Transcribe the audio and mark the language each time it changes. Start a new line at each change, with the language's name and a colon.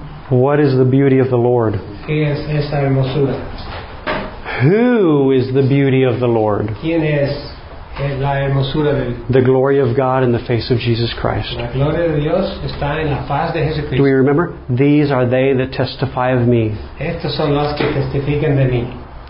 English: What is the beauty of the Lord?
Spanish: ¿Qué es esa hermosura?
English: Who is the beauty of the Lord?
Spanish: ¿Quién es la hermosura de...
English: The glory of God in the face of Jesus Christ.
Spanish: La gloria de Dios está en la faz de Jesucristo.
English: Do we remember? These are they that testify of me.
Spanish: Estos son los que testifican de mí.